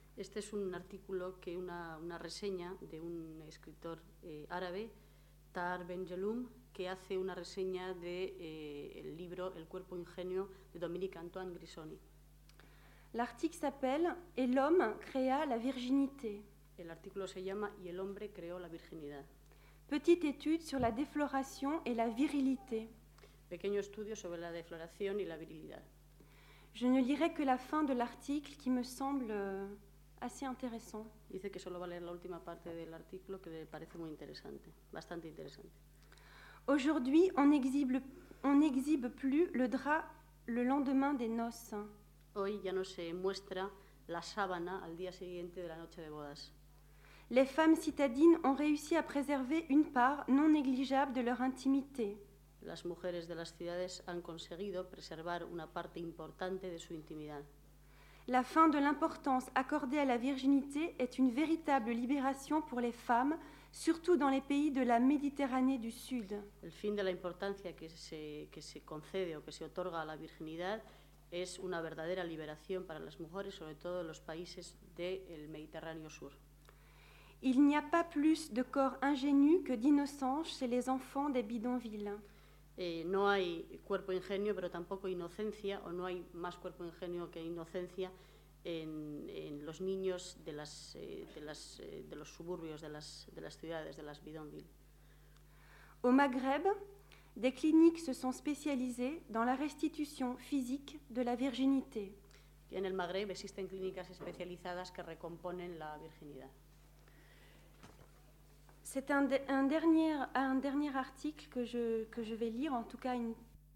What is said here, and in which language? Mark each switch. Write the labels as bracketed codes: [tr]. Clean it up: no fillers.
[es] Este es un artículo que una reseña de un escritor árabe, Tahar Bedjelloun, que hace una reseña de el libro El cuerpo ingenuo de Dominique Antoine Grisoni. [fr] L'article s'appelle Et l'homme créa la virginité. [es] El artículo se llama Y el hombre creó la virginidad. [fr] Petite étude sur la défloration et la virilité. [es] Pequeño estudio sobre la defloración y la virilidad. [fr] Je ne lirai que la fin de l'article qui me semble assez intéressant. [es] Dice que solo va a leer la última parte del artículo que le parece muy interesante, bastante interesante. [fr] Aujourd'hui, on exhibe plus le drap le lendemain des noces. [es] Hoy ya no se muestra la sábana al día siguiente de la noche de bodas. [fr] Les femmes citadines ont réussi à préserver une part non négligeable de leur intimité. [es] Las mujeres de las ciudades han conseguido preservar una parte importante de su intimidad. [fr] La fin de l'importance accordée à la virginité est une véritable libération pour les femmes, surtout dans les pays de la Méditerranée du Sud. [es] El fin de la importancia que se concede o que se otorga a la virginidad es una verdadera liberación para las mujeres, sobre todo en los países del Mediterráneo Sur. [fr] Il n'y a pas plus de corps ingénu que d'innocence chez les enfants des bidonvilles. [es] No hay cuerpo ingenuo, pero tampoco inocencia, o no hay más cuerpo ingenuo que inocencia en los niños de los suburbios, de las ciudades, de las bidonvilles. [fr] Au Maghreb, des cliniques se sont spécialisées dans la restitution physique de la virginité. [es] En el Magreb existen clínicas especializadas que recomponen la virginidad. [fr] C'est un dernier article que je vais lire, en tout cas une